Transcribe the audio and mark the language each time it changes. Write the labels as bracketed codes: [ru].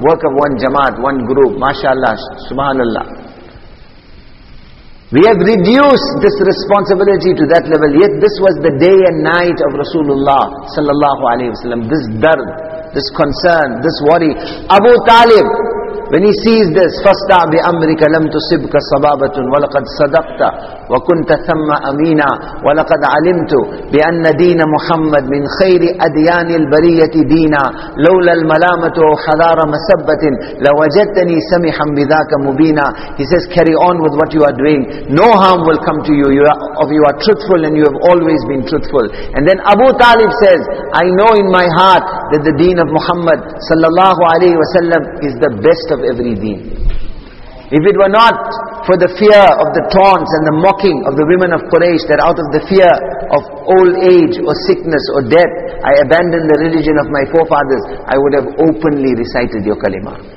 [en] Work of one jamaat, one group. MashaAllah, subhanAllah. We have reduced this responsibility to that level. Yet this was the day and night of Rasulullah sallallahu alayhi wasallam. This dard, this concern, this worry. Abu Talib, when he sees this, [ar] فَاسْتَعْ بِأَمْرِكَ لَمْ تُصِبْكَ صَبَابَةٌ وَلَقَدْ صَدَقْتَ وَكُنْتَ ثَمَّ أَمِينًا وَلَقَدْ عَلِمْتُ بِأَنَّ دِينَ مُحَمَّدٍ مِنْ خَيْرِ أَدْيَانِ الْبَرِيَّةِ دِينًا لَوْلَا الْمَلَامَةُ وَحَذَارَ مَسَبَّةٍ لَوَجَدْتَنِي سَمِحًا بِذَاكَ مُبِينًا. [en] He says, carry on with what you are doing. No harm will come to you. You are truthful and you have always been truthful. And then Abu Talib says, I know in my heart that the deen of Muhammad sallallahu alayhi wasallam is the best of every deen. If it were not for the fear of the taunts and the mocking of the women of Quraysh, that out of the fear of old age or sickness or death, I abandoned the religion of my forefathers, I would have openly recited your kalima.